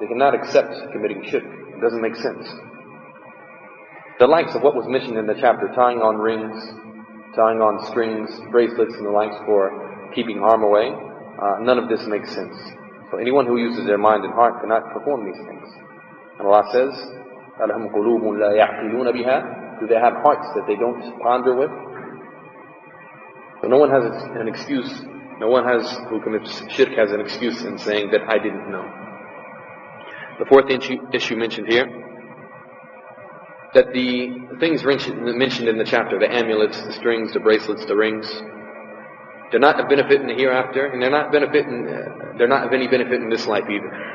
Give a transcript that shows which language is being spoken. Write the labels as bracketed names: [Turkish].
[English] They cannot accept committing shirk. It doesn't make sense. The likes of what was mentioned in the chapter, tying on rings, tying on strings, bracelets and the likes for keeping harm away, none of this makes sense. So anyone who uses their mind and heart cannot perform these things. And Allah says, [Arabic] أَلَهُمْ قُلُوبٌ لَا يَعْقِلُونَ بِهَا. [English] Do they have hearts that they don't ponder with? So no one has an excuse, no one has who commits shirk has an excuse in saying that I didn't know. The fourth issue mentioned here, that the things mentioned in the chapter, the amulets, the strings, the bracelets, the rings, they're not a benefit in the hereafter, and they're not of any benefit in this life either.